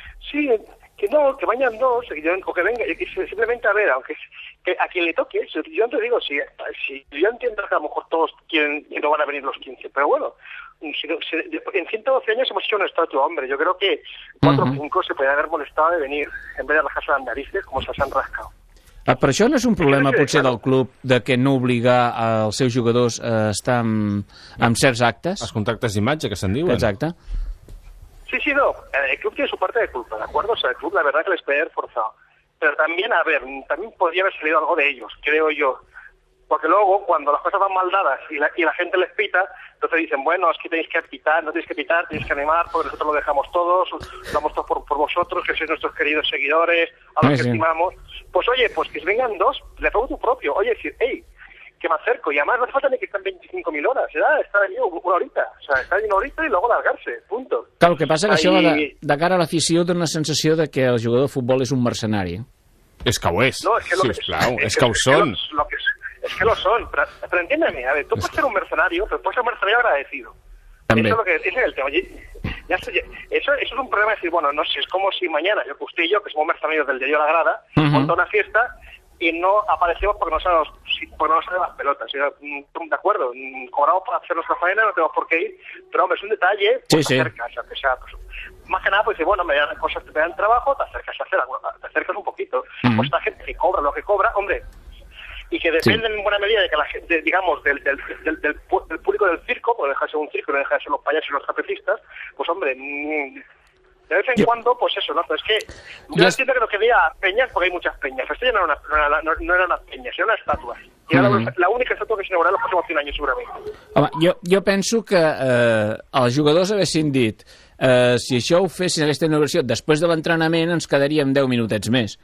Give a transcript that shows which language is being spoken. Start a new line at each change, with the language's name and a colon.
Spanish: Sí, que no, que vayan dos, o que venga, simplemente a ver, aunque que a quien le toque, yo te digo, si yo entiendo que a lo mejor todos quieren que no van a venir los 15, pero bueno, en 112 años hemos hecho una estatua, hombre, yo creo que 4 o 5 se podrían haber molestado de venir en vez de rajarse las narices como se han rascado.
Catalan: Ah, però això no és un problema, potser, del club, de que no obligar els seus jugadors a estar amb certs actes? Els contactes d'imatge, que se'n diuen. Exacte.
Spanish: Sí, no, el club tiene su parte de culpa, ¿de acuerdo? O sea, el club, la verdad, que les puede haber forzado. Pero también, a ver, también podría haber salido algo de ellos, creo yo. Porque luego, cuando las cosas van mal dadas y la gente les pita, Entonces dicen, bueno, es que tenéis que pitar, no tenéis que pitar, tenéis que animar, porque nosotros lo dejamos todos, lo damos todo por vosotros, que sois nuestros queridos seguidores, a los que estimamos. Pues oye, pues que vengan dos, le pago tu propio. Oye, es decir, hey, que me acerco. Y además no hace falta ni que estén 25.000 horas, ¿verdad? Estar allí una horita. O sea, estar allí una horita y luego largarse, punto.
Catalan: Clar, el que passa que això de cara a l'afició té una sensació de que el jugador de futbol és un mercenari. És que ho és, sisplau, és que ho són.
Spanish: Es que lo son, pero entiéndeme, a ver, tú puedes ser un mercenario, pero puedes ser un mercenario agradecido. También. Eso es lo que es el tema. Eso es un problema de decir, bueno, no sé, es como si mañana yo, usted y yo, que somos mercenarios del Diario La Grada, monta una fiesta y no aparecemos porque no sabemos, porque no sabemos las pelotas. De acuerdo, cobramos para hacer nuestra faena, no tenemos por qué ir, pero hombre, es un detalle, pues sí, te acercas, aunque sea, pues, más que nada, pues dice, bueno, me dan cosas, te dan trabajo, te acercas un poquito. Uh-huh. Pues esta gente que cobra lo que cobra, hombre. Y que dependen, sí, en buena medida de que la gente, digamos, del público del circo, porque deja de ser un circo, no deja de ser los payasos y los trapecistas, pues hombre, de vez en cuando, pues eso, ¿no? Pero es que yo entiendo que lo que diga peñas, porque hay muchas peñas. Esto ya no era una peña, sino una estatua. Y era la única estatua que se inaugurará en los próximos 100 años, seguramente.
Catalan: Home, jo penso que els jugadors haguessin dit, si això ho fessin, aquesta inauguració, després de l'entrenament ens quedaríem 10 minutets més.